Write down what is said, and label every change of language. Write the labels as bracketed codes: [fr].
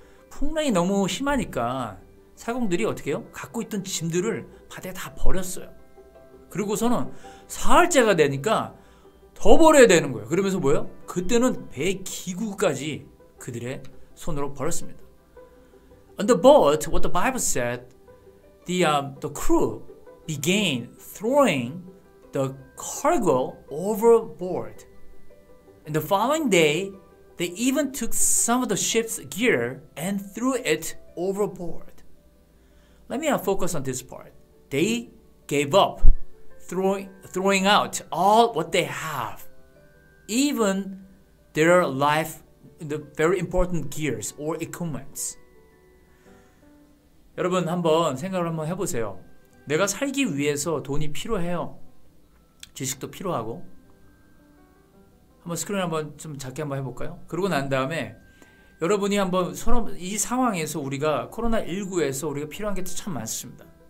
[ko] 풍랑이 너무 심하니까 사공들이 어떻게 해요? 갖고 있던 짐들을 바다에 다 버렸어요. 그리고서는 사흘째가 되니까 더 버려야 되는 거예요. 그러면서 뭐예요? 그때는 배의 기구까지 그들의 손으로 버렸습니다. [en] On the boat, what the Bible said, the crew began throwing the cargo overboard. And the following day, They even took some of the ship's gear and threw it overboard. Let me focus on this part. They gave up throwing out all what they have, even their life, the very important gears or equipments. [ko] 여러분 한번 생각을 한번 해보세요. 내가 살기 위해서 돈이 필요해요. 지식도 필요하고. 한번 스크린 한번 좀 작게 한번 해볼까요? 그러고 난 다음에 여러분이 한번 서로 이 상황에서 우리가 코로나19에서 우리가 필요한 게 참 많습니다.